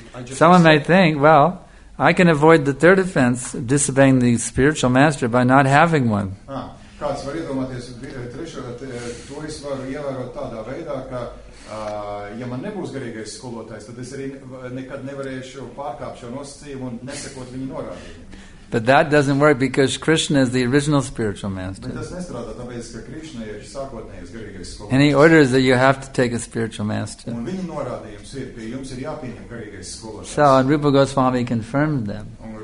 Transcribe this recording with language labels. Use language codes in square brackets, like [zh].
[en] Someone may think, well, I can avoid the third offense, disobeying the spiritual master, by not having one. [lv] Kāds var iedomāties, trešo, to es varu ievērot tādā veidā, ka ja man nebūs garīgais skolotājs, tad es arī nekad nevarēšu pārkāpt šo nosacījumu un nesekot viņu norādījumiem. [en] But that doesn't work because Krishna is the original spiritual master. And he orders that you have to take a spiritual master. So, and Rupa Goswami confirmed them.